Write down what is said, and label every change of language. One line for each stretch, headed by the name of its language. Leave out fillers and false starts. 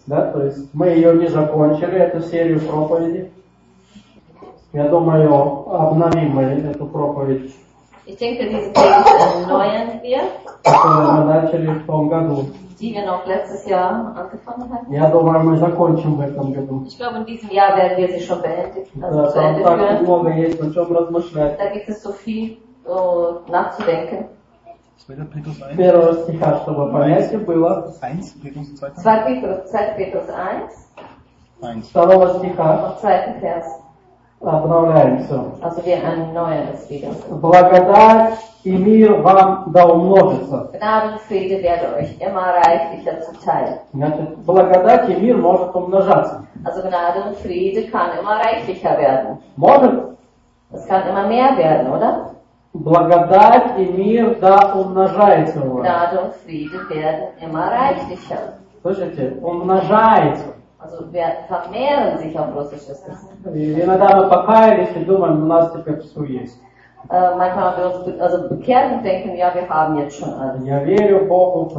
Russian: Да, то есть мы ее не закончили, эту серию проповеди. Я думаю, обновим мы эту проповедь.
German: Ich denke, diese Predigt erneuern wir.
Russian: Которую мы начали в том году.
German: Die wir noch letztes Jahr angefangen hatten.
Russian: Я думаю, мы закончим в этом году.
German: Ich glaube, in diesem Jahr werden wir sie schon beendet.
Russian: Да, там так много есть, о чем размышлять.
German: Da gibt es so viel nachzudenken.
Russian: 1 стиха, чтобы понять, было. 2 Петрус 1. 2 стиха.
German: 2 Vers.
Russian: Обновляемся.
German: Also wir erneuern das wieder.
Russian: Благодать и мир вам да умножится.
German: Gnade und Friede werde euch immer reichlicher zuteil.
Russian: Значит, благодать и мир может умножаться.
German: Also Gnade und Friede kann immer reichlicher werden.
Russian: Может.
German: Es kann immer mehr werden, oder?
Russian: Благодать и мир да умножается у вас.
German: Gnade und Friede werden immer reichlicher.
Russian: Слышите, умножается.
German: Also wir vermehren sich auf russisches Gesetz. Manchmal haben wir uns also bekehrt und denken, ja, wir haben jetzt schon alles.
Russian: Я верю Богу,